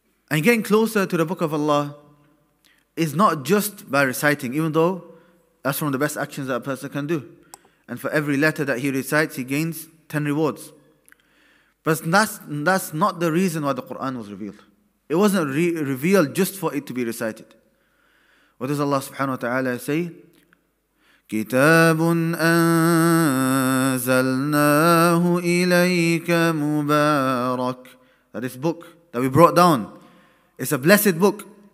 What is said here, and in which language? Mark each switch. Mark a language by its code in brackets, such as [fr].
[en] And getting closer to the book of Allah is not just by reciting, even though that's one of the best actions that a person can do. And for every letter that he recites, he gains 10 rewards. But that's not the reason why the Quran was revealed. It wasn't revealed just for it to be recited. What does Allah subhanahu wa ta'ala say? [ar] كِتَابٌ أَنزَلْنَاهُ إِلَيْكَ مُبَارَكٌ. [en] That is book that we brought down. It's a blessed book.